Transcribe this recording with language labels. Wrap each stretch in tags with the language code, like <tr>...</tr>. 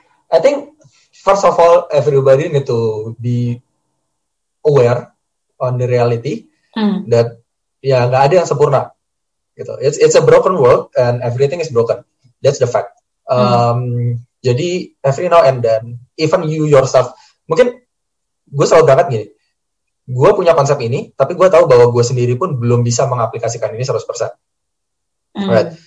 <en>I think first of all everybody need to be aware on the reality that</en> <id>ya nggak ada yang sempurna gitu.</id> <en>It's a broken world and everything is broken. That's the fact.</en> <id>Jadi</id> <en>every now and then, even you yourself,</en> <id>mungkin gue selalu banget gini, gue punya konsep ini, tapi gue tahu bahwa gue sendiri pun belum bisa mengaplikasikan ini 100%.</id> <en>Right.</en>